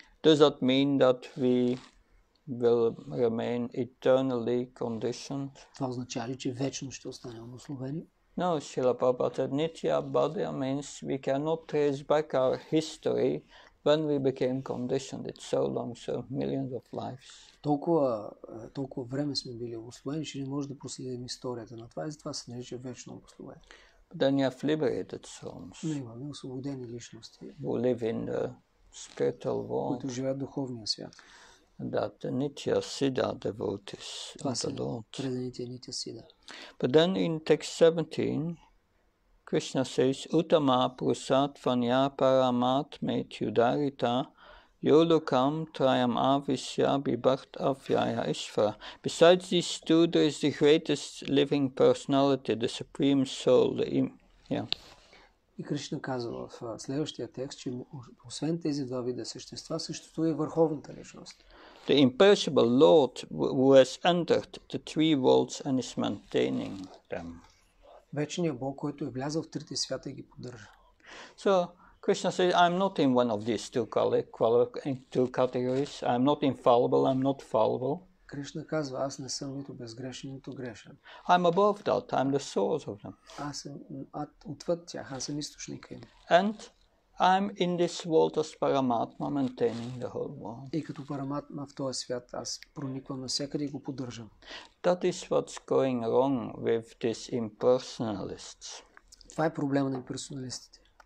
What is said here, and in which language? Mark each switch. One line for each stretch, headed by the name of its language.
English: Does that mean that we will remain eternally conditioned?
Bulgarian: Това означава ли, че вечно ще останем обусловени?
English: No, Srila Prabhupada said, Nitya Bada means we cannot trace back our history when we became conditioned it so long, so millions of lives.
Bulgarian: Толкова време сме били обусловени, че не може да проследим историята на това, и затова се нарича вечно обусловение.
English: But then you have liberated souls.
Bulgarian: Но имаме освободени личности.
English: Who live in the spiritual world.
Bulgarian: Които живеят в духовния свят.
English: That Nitya Siddha devotees of the Lord.
Bulgarian: Предените Нитя Сида.
English: But then in text 17, Krishna says,
Sanskrit: Uttama prusatvanya paramatmetyudarita yolukam trayam avisya bibhakt avyaya ishvara.
English: Besides these two, there is the greatest living personality, the supreme soul.
Bulgarian: И Кришна казва в следващия текст, че освен тези два вида същества, съществува и върховната личност.
English: The imperishable Lord who has entered the three worlds and is maintaining them.
Bulgarian: Вечният Бог, който е влязъл в трите свята и ги поддържа.
English: So Krishna says, I'm not in one of these two categories. I'm not infallible, I'm not fallible.
Bulgarian: Кришна казва, аз не съм нито безгрешен, нито грешен.
English: I'm above that, I'm the source of them.
Bulgarian: Аз съм отвъд тях, аз съм източника им.
English: And I'm in this world as Paramatma, maintaining the whole world.
Bulgarian: И като Параматма в този свят, аз прониквам навсякъде и го поддържам.
English: That is what's going wrong with these impersonalists.
Bulgarian: Това е проблема на имперсоналистите.